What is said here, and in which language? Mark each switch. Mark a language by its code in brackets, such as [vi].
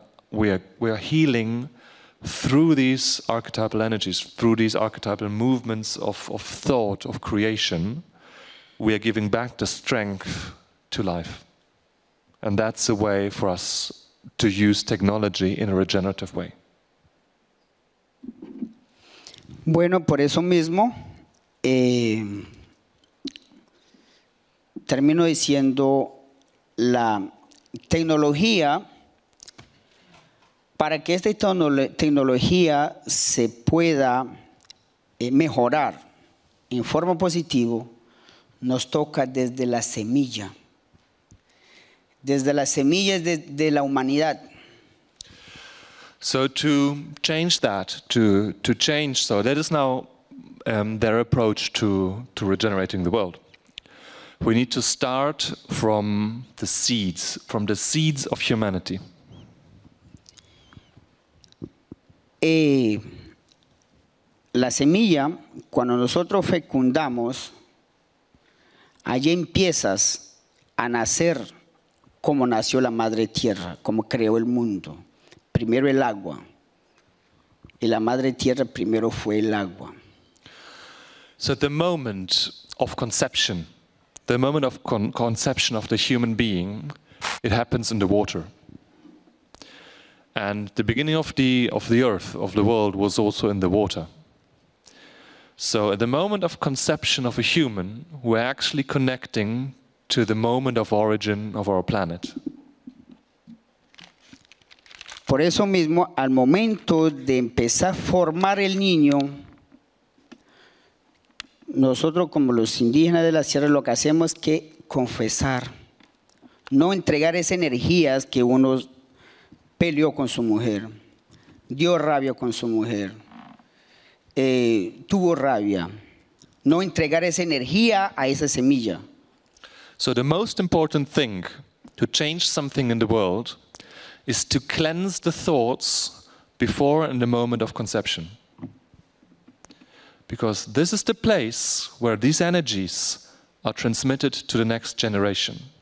[en] We are healing through these archetypal energies, through these archetypal movements of thought, of creation. We are giving back the strength to life. And that's a way for us to use technology in a regenerative way. [es] Bueno, por eso mismo, termino diciendo la tecnología, para que esta tecnología se pueda mejorar en forma positiva, nos toca desde la semilla. Desde la semilla de la humanidad. [en] So to change that, to change, so that is now their approach to regenerating the world. We need to start from the seeds of humanity. [es] La semilla, cuando nosotros fecundamos, allí empiezas a nacer como nació la madre tierra, como creó el mundo. Primero el agua, y la madre tierra primero fue el agua. [en] So the moment of conception, the moment of conception of the human being, it happens in the water. And the beginning of the earth, of the world, was also in the water. So at the moment of conception of a human, we're actually connecting to the moment of origin of our planet. [es] Por eso mismo, al momento de empezar a formar el niño, nosotros como los indígenas de la sierra lo que hacemos es que confesar, no entregar esas energías que uno peleó con su mujer, dio rabia con su mujer, tuvo rabia, no entregar esa energía a esa semilla. [en] So the most important thing to change something in the world is to cleanse the thoughts before and the moment of conception. Because this is the place where these energies are transmitted to the next generation.